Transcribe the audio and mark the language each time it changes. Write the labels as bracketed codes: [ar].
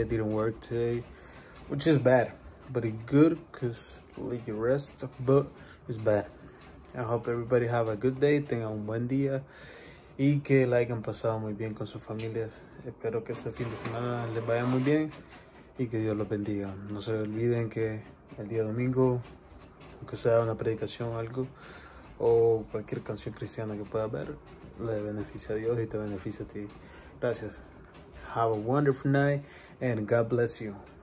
[en] I didn't work today, which is bad, but it's good because like your rest, but it's bad. I hope everybody have a good day, [es] tengan un buen día y que la hayan pasado muy bien con sus familias. Espero que este fin de semana les vaya muy bien. Y que Dios los bendiga. No se olviden que el día domingo, aunque sea una predicación o algo, o cualquier canción cristiana que pueda ver, le beneficia a Dios y te beneficia a ti. Gracias. [en] Have a wonderful night and God bless you.